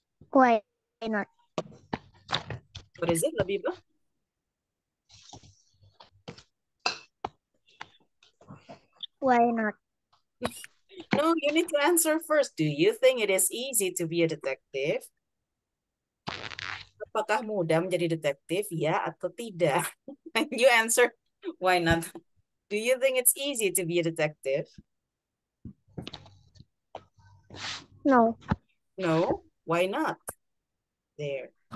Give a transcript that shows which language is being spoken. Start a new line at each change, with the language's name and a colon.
English: Why not? What is it, Labiba? Why not? No, you need to answer first. Do you think it is easy to be a detective?
Indonesian: Apakah mudah menjadi detektif, ya atau tidak?
English: You answer, why not? Do you think it's easy to be a detective? No. No? Why not? There.